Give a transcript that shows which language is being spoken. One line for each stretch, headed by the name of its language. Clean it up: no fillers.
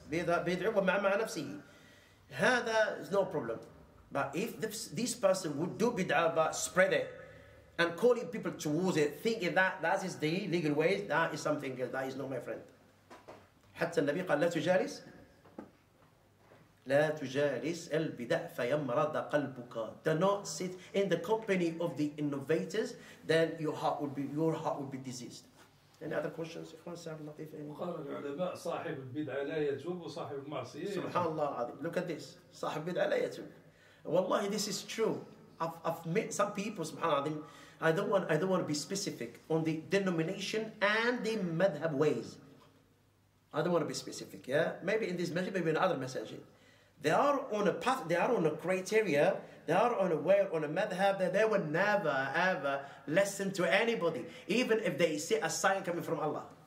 Arabic: Bid'ah wa ma'a nafsihi. Hada
English: is no problem. But if this person would do bid'ah but spread it, and calling people towards it, thinking that is the legal ways, that is something else, that is not my friend.
Arabic: حتى النبي قال لا تجالس البدع فيمرض قلبك.
English: Do not sit in the company of the innovators, then your heart will be diseased. Any other questions?
Arabic: إخوان سعد لطيف. قال العلماء صاحب البدع لا يتوب وصاحب المعصية. سبحان الله العظيم.
English: Look at this.
Arabic: صاحب البدع لا يتوب.
English: والله this is true. I've met some people.
Arabic: سبحان الله العظيم.
English: I don't want to be specific on the denomination and the madhab ways. I don't want to be specific, yeah? Maybe in this masjid, maybe in other masjid. They are on a path, they are on a criteria, they are on a way, on a madhab, that they will never, ever listen to anybody, even if they see a sign coming from Allah.